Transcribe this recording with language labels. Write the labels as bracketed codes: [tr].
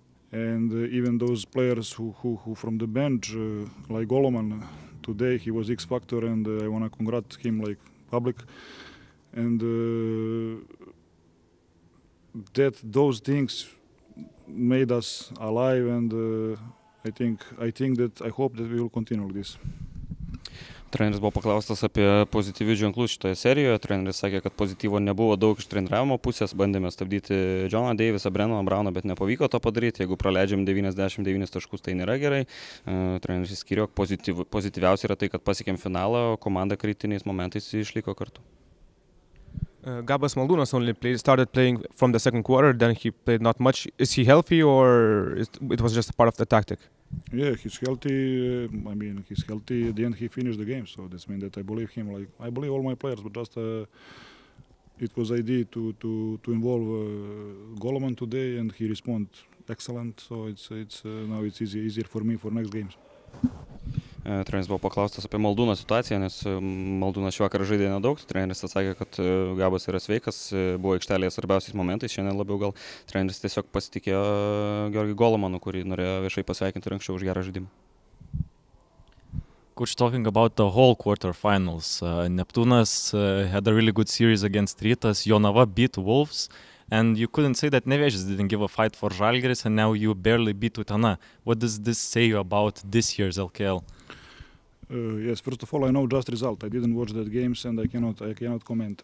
[en] And even those players who from the bench, like Goloman, today he was X factor, and I want to congratulate him like public. And those things made us alive, and I hope that we will continue this. [lt] Treneris buvo paklaustas apie pozityvių ženklus šitoje serijoje. Treneris sakė, kad pozityvo nebuvo daug iš treniravimo pusės. Bandėme stabdyti Johną Davisą, Brenoną Brauną, bet nepavyko to padaryti. Jeigu praleidžiam 99 taškus, tai nėra gerai. Treneris išskyrė, pozityviausia yra tai, kad pasiekėm finalą, o komanda kritiniais momentais išliko kartu. [en] Gabas Maldūnas only started playing from the second quarter, then he played not much. Is he healthy or it was just a part of the tactic? Yeah, he's healthy. I mean, he's healthy. At the end, he finished the game, so this means that I believe him. Like I believe all my players, but just it was idea to involve Goloman today, and he responded excellent. So it's now it's easier for me for next games. [lt] Treneris buvo paklaustas apie Maldūno situaciją, nes Maldūnas šį vakarą žaidė nedaug. Treneris atsakė, kad Gabas yra sveikas, buvo aikštelėje svarbiausiais momentais. Šiandien labiau gal treneris tiesiog pasitikėjo Georgi Golomanu, kurį norėjo viešai pasveikinti rankščiau už gerą žaidimą. [en] Coach, talking about the whole quarterfinals. Neptūnas had a really good series against Rytas. Jonava beat Wolves. And you couldn't say that Nevėžis didn't give a fight for Žalgiris, and now you barely beat Utena. What does this say you about this year's LKL? Yes, first of all, I know just result. I didn't watch that games, and I cannot comment.